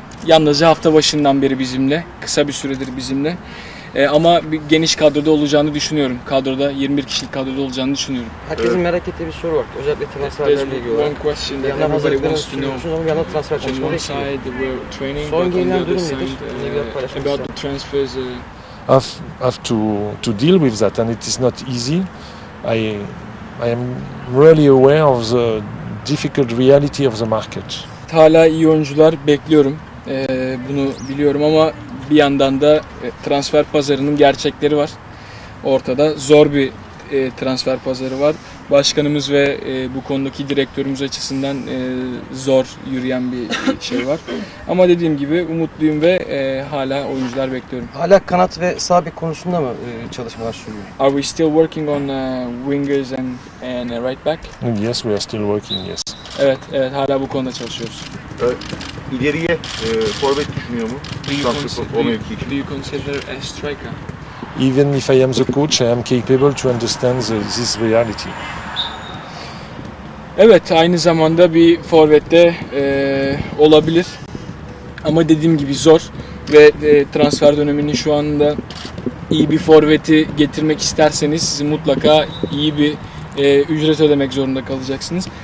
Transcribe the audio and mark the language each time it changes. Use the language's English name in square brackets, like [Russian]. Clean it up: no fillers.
[Turkish] Yalnızca hafta başından beri bizimle, kısa bir süredir bizimle. Ama bir geniş kadroda olacağını düşünüyorum. Kadroda 21 kişilik kadroda olacağını düşünüyorum. Herkesin evet. Merak ettiği bir soru var. Özellikle transferlerle ilgili olarak. [English] One question. [Turkish] Yanına hazırlıklarını sürüyorsunuz ama yanına transfer çalışmaları ekliyor. Son gelinen durum nedir? [English] About the transfers. I have to deal with that and it is not easy. I am really aware of the difficult reality of the market. [Turkish] Hala iyi oyuncular bekliyorum. Bunu biliyorum ama bir yandan da transfer pazarının gerçekleri var. Ortada zor bir transfer pazarı var. Başkanımız ve bu konudaki direktörümüz açısından zor yürüyen bir şey var. Ama dediğim gibi umutluyum ve hala oyuncular bekliyorum. Hala kanat ve sağ bek konusunda mı çalışmalar sürüyor? [English] Are we still working on wingers and right back? Yes, we are still working, yes. [Turkish] Evet, evet, hala bu konuda çalışıyoruz. İleriye forvet düşünüyor mu? [English] Do you consider a striker? Even if I am the coach, I am capable to understand this reality. [Turkish] Evet, aynı zamanda bir forvette olabilir. Ama dediğim gibi zor ve transfer döneminin şu anda iyi bir forveti getirmek isterseniz mutlaka iyi bir ücret ödemek zorunda kalacaksınız.